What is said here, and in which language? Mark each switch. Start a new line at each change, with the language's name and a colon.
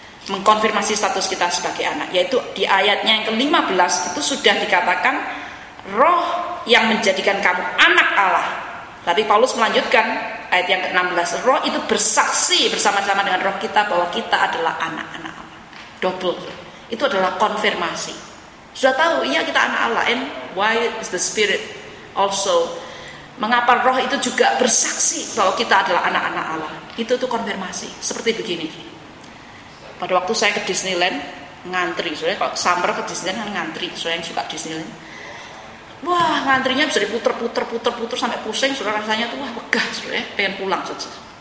Indonesian: Mengkonfirmasi status kita sebagai anak, yaitu di ayatnya yang ke-15 itu sudah dikatakan, Roh yang menjadikan kamu anak Allah. Tapi Paulus melanjutkan ayat yang ke-16, Roh itu bersaksi bersama-sama dengan roh kita bahwa kita adalah anak-anak Allah. Double. Itu adalah konfirmasi. Sudah tahu, iya kita anak Allah.
English: And why is the spirit also?
Indonesian: Mengapa roh itu juga bersaksi bahwa kita adalah anak-anak Allah? Itu konfirmasi. Seperti begini. Pada waktu saya ke Disneyland, ngantri. Soalnya kalau summer ke Disneyland kan ngantri. Soalnya yang suka Disneyland. Wah, ngantrinya bisa diputer-puter-puter-puter sampai pusing, sudah rasanya tuh wah begah, sudah ya, pengen pulang saja.